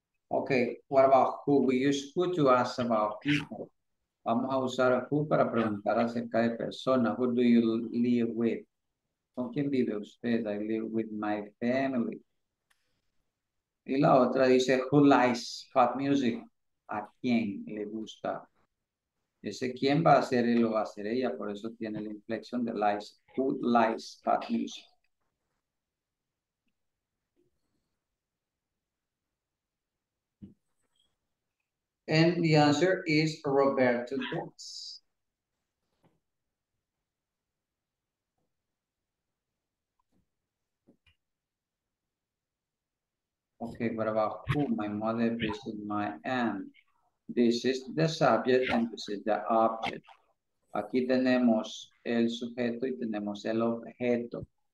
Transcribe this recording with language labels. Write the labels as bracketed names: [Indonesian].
[English] Okay, what about who? We use who to ask about people. [Spanish] Vamos a usar a who para preguntar acerca de personas. [English] Who do you live with? [Spanish] ¿Con quién vive usted? [English] I live with my family. [Spanish] Y la otra dice, [English] who likes hot music? [Spanish] ¿A quién le gusta? Ese quién va a ser él o va a ser ella, por eso tiene la inflexión de likes. [English] Who likes hot music? And the answer is Roberto Dots. Okay, what about who? My mother visits my aunt. This is the subject and this is the object. [Spanish] Aquí tenemos el sujeto y tenemos el objeto.